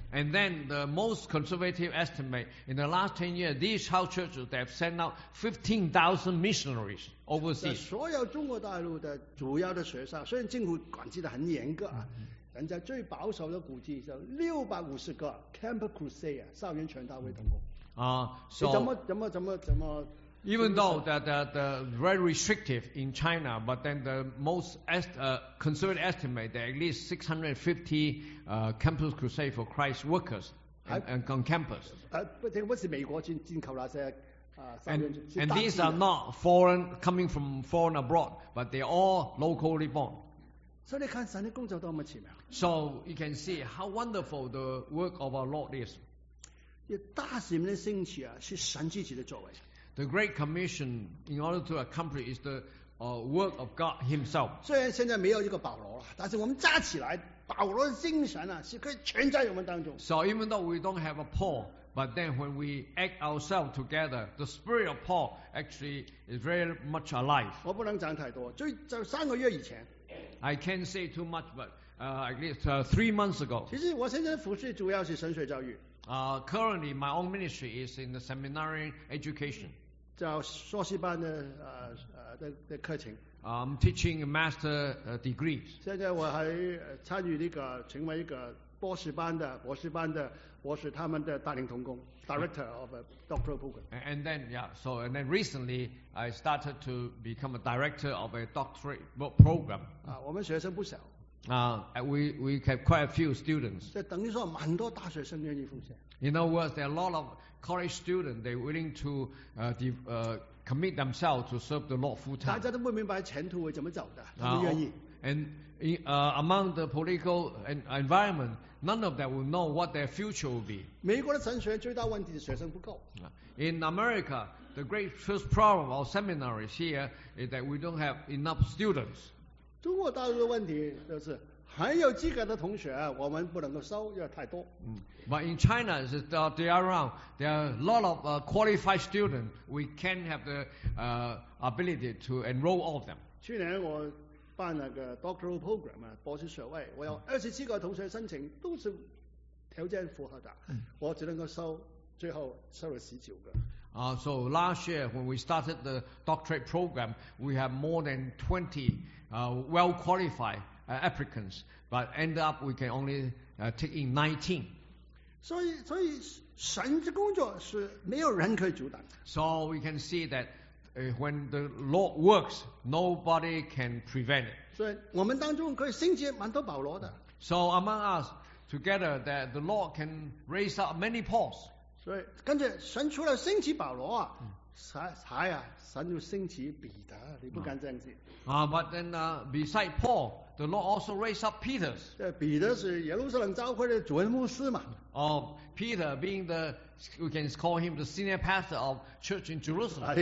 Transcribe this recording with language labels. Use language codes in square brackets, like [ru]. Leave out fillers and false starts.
[en] And then the most conservative estimate in the last 10 years, these house churches they have sent out 15,000 missionaries overseas. [zh] 在所有中国大陆的主要的学校，虽然政府管制的很严格啊。人家最保守的估计是650个 Camp Crusade 校园传道会同工。 [en] Even though the very restrictive in China, but then the most conservative estimate that at least 650 Campus Crusade for Christ workers and on campus. [zh] 不，这个不是美国进口那些。 [en] And these are not foreign coming from foreign abroad, but they are all locally born. [zh] 所以你看神的工作多么奇妙。 [en] So you can see how wonderful the work of our Lord is. [zh] 大使命的兴起啊，是神自己的作为。 [en] The Great Commission in order to accomplish is the work of God Himself. [zh] 虽然现在没有一个保罗了，但是我们加起来，保罗的精神啊，是可以全在我们当中。 [en] So even though we don't have a Paul. But then when we act ourselves together, the spirit of Paul actually is very much alive. [zh] 我不能讲太多，最就三个月以前。 [en] I can't say too much, but at least 3 months ago. [zh] 其实我现在服事主要是神学教育。 [en] Currently, my own ministry is in the seminary education. [zh] 叫硕士班的课程。 [en] I'm teaching a master degree. [zh] 现在我还参与那个成为一个博士班的我是他们的大龄同工 ， [en] director of a doctoral program. And then, yeah. So, and then recently, I started to become a director of a doctoral program. [zh] 我们学生不少。 [en] We have quite a few students. [zh] 这等于说，蛮多大学生愿意奉献。 [en] In other words, there are a lot of college students. They willing to commit themselves to serve the Lord full time. [zh] 大家都不明白前途会怎么走的，他们愿意。 [en] And in, among the political environment, none of them will know what their future will be. [zh] 美国的神学最大问题是学生不够。 [en] In America, the great first problem of seminaries here is that we don't have enough students. [zh] 中国大陆的问题就是很有资格的同学我们不能够收，因为太多。 [en] But in China, they are around. There are a lot of qualified students. We can't have the ability to enroll all of them. [zh] 去年我办那个 doctoral program 啊，博士学位，我有27个同学申请，都是条件符合的，我只能够收，最后收了19个。 [en] So last year when we started the doctorate program, we have more than 20 well qualified applicants, but end up we can only take in 19. [zh] 所以神的工作是没有人可以阻挡。 [en] So we can see that. When the Lord works, nobody can prevent it. [zh] 所以我们当中可以兴起蛮多保罗的。 [en] So among us, together, that the Lord can raise up many Pauls. [zh] 所以跟着神除了兴起保罗啊，神就兴起彼得，你不敢这样子。 [en] But then, beside Paul, the Lord also raised up Peter. [zh] 彼得是耶路撒冷教会的主任牧师嘛。 [en] Peter being the We can call him the senior pastor of church in Jerusalem.